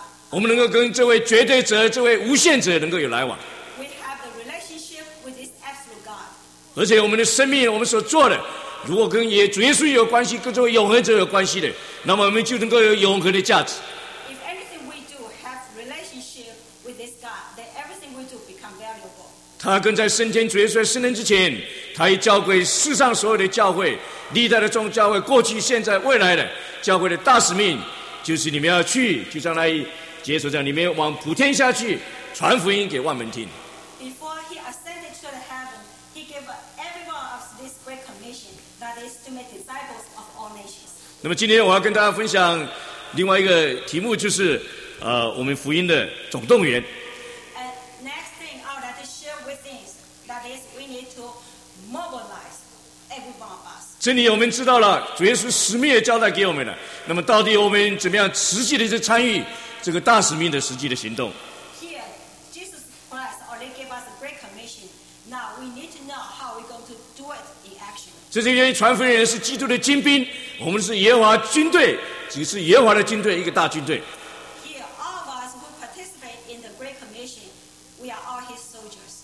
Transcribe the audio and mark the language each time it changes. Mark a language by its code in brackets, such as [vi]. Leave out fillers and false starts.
[zh] 我们能够跟这位绝对者、这位无限者能够有来往。 [en] We have a relationship with this absolute God. [zh] 而且我们的生命、我们所做的，如果跟主耶稣有关系、跟这位永恒者有关系的，那么我们就能够有永恒的价值。 [en] If anything we do has relationship with this God, then everything we do become valuable. [zh] 他跟在升天、主耶稣在升天之前，他也教会世上所有的教会、历代的众教会、过去、现在、未来的教会的大使命，就是你们要去，就将来接受这样，你们往普天下去传福音给万民听。 [en] Before he ascended to the heaven, he gave everyone of this great commission, that is to make disciples of all nations. [zh] 那么今天我要跟大家分享另外一个题目，就是我们福音的总动员。 [en] And next thing I would like to share with this, that is we need to mobilize everyone of us. [zh] 这里我们知道了，主耶稣使命也交代给我们了。那么到底我们怎么样实际的去参与这个大使命的实际的行动？ [en] Here, Jesus Christ already gave us a great commission. Now we need to know how we're going to do it in action. [zh] 这是因为传福音人是基督的精兵，我们是耶和华军队，只是耶和华的军队，一个大军队。 [en] Here, all of us who participate in the great commission, we are all His soldiers.